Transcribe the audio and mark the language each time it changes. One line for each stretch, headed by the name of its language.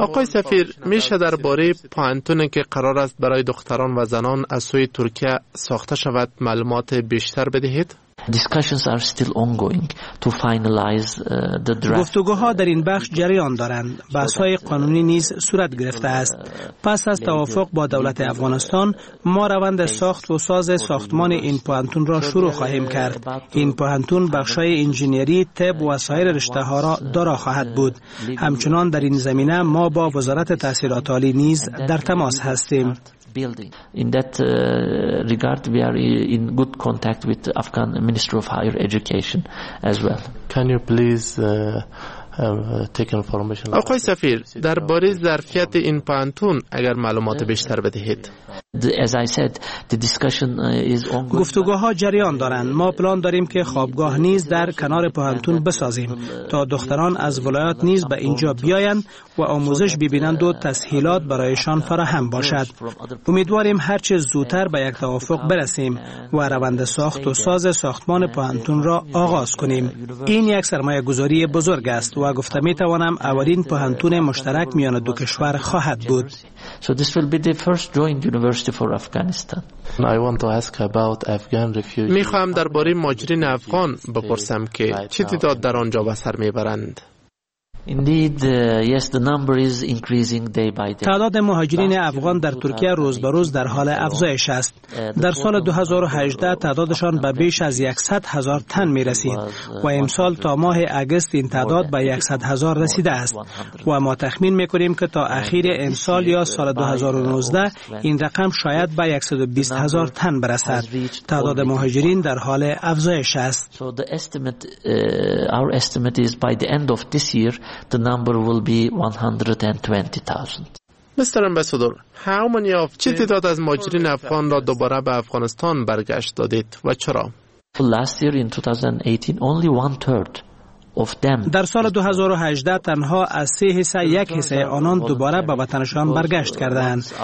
Persian: آقای سفیر، میشه درباره پوانتونی که قرار است برای دختران و زنان از سوی ترکیه ساخته شود معلومات بیشتر بدهید؟
English: Discussions are still ongoing to finalize the draft.
Persian: گفتگوها در این بخش جریان دارند. بحث‌های قانونی نیز صورت گرفته است. پس از توافق با دولت افغانستان، ما روند ساخت و ساز ساختمان این پوانتون را شروع خواهیم کرد. این پوانتون بخش‌های انجینری، طب و سایر رشته‌ها را دارا خواهد بود. همچنان در این زمینه ما با وزارت تحصیلات عالی نیز در تماس هستیم.
English: In that regard we are in good contact with the Afghan Minister of Higher Education as well. Can you please take information?
Persian: آقای سفیر، درباره ظرفیت این پوانتون اگر معلومات بیشتر بدهید.
English: As I said, the discussion is ongoing.
Persian: گفتگوها جریان دارند. ما پلان داریم که خوابگاه نیز در کنار پوانتون بسازیم تا دختران از ولایات نیز به اینجا بیایند و آموزش ببینند و تسهیلات برایشان فراهم باشد. امیدواریم هر چه زودتر به یک توافق برسیم و روند ساخت و ساز ساختمان پوانتون را آغاز کنیم. این یک سرمایه گذاری بزرگ است و گفته می توانم اولین پوانتون مشترک میان دو کشور خواهد بود.
English: So this will be the first joint university for Afghanistan. I want to ask about Afghan refugees.
Persian: می خواهم درباره مهاجرین افغان بپرسم که چه تعداد در آنجا به سر می برند.
English: Indeed, yes, the number is increasing day by day.
Persian: تعداد مهاجرین افغان در ترکیه روز به روز در حال افزایش است. در سال 2018 تعدادشان به بیش از 100 هزار تن می رسید و امسال تا ماه آگوست این تعداد به 100 هزار رسیده است و ما تخمین می کنیم که تا اخیر امسال یا سال 2019 این رقم شاید به 120 هزار تن برسد. تعداد مهاجرین در حال افزایش است.
English: So the estimate, our estimate is by the end of this year the number will be 120,000. Mr. Ambassador, how many of
Persian: چه تعداد از مهاجرین افغان را دوباره به افغانستان برگشت دادید و چرا؟
English: Last year in 2018 only one third of them.
Persian: در سال 2018 تنها از 3 حصه 1 حصه آنان دوباره به وطنشان برگشت کردند.